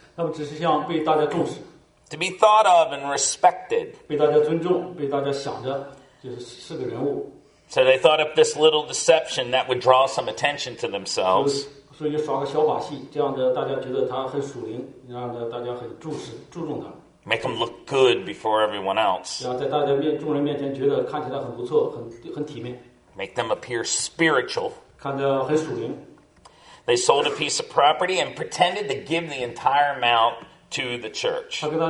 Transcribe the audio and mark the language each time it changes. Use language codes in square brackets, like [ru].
[zh] 他们只是想被大家重视。 [en] To be thought of and respected. [zh] 被大家尊重，被大家想着，就是是个人物。 [en] So they thought up this little deception that would draw some attention to themselves. [zh] 所以耍个小把戏，这样的大家觉得他很属灵，让大家很注重他。 [en] Make them look good before everyone else. [zh] 让在大家面众人面前觉得看起来很不错，很体面。 [en] Make them appear spiritual. [zh] 看得很属灵。 [en] They sold a piece of property and pretended to give the entire amount to the church.